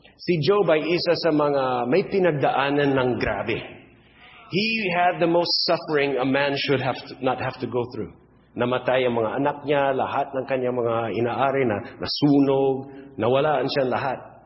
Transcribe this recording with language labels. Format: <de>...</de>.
<tl>Si Job ay isa sa mga may pinagdaanan ng grabe.</tl> <en>He had the most suffering a man should have to, not have to go through.</en> <tl>Namatay ang mga anak niya, lahat ng kanyang mga inaari na nasunog, nawalaan siya lahat.</tl>